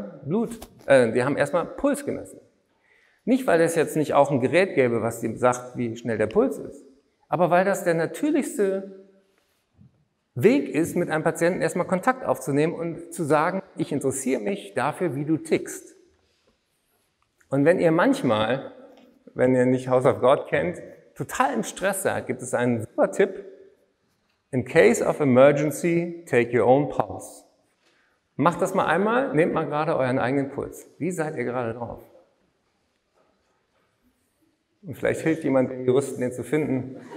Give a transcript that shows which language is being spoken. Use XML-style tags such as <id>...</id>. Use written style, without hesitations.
<de>Die haben erstmal Puls gemessen. Nicht, weil es jetzt nicht auch ein Gerät gäbe, was dem sagt, wie schnell der Puls ist, aber weil das der natürlichste Weg ist, mit einem Patienten erstmal Kontakt aufzunehmen und zu sagen, ich interessiere mich dafür, wie du tickst. Und wenn ihr manchmal, wenn ihr nicht House of God kennt, total im Stress seid, gibt es einen super Tipp.</de> <en>In case of emergency, take your own pulse.</en> <de>Macht das mal einmal, nehmt mal gerade euren eigenen Puls. Wie seid ihr gerade drauf? Und vielleicht hilft jemand den Juristen, den zu finden.</de>